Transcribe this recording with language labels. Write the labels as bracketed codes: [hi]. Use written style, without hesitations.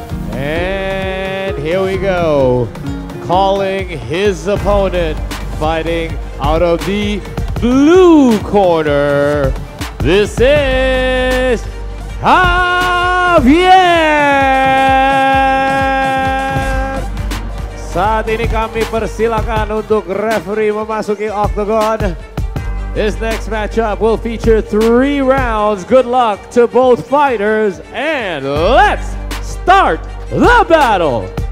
[en] And here we go, calling his opponent, fighting out of the blue corner, this is Javier. [id] Saat ini kami persilakan untuk referee memasuki octagon. [en] This next matchup will feature three rounds. Good luck to both fighters and let's start the battle.